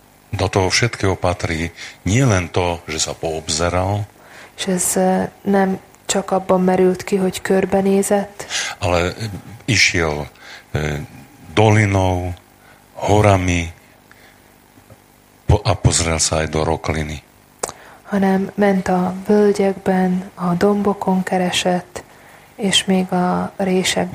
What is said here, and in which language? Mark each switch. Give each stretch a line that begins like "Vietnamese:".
Slovak: Do toho všetkého patrí nielen to, že sa poobzeral,
Hungarian: és ez nem csak abban merült ki, hogy körbenézett,
Slovak: ale išiel dolinou, horami a pozrel sa aj do rokliny.
Hungarian: Hanem ment a völgyekben, a dombokon keresett, és még a résekben.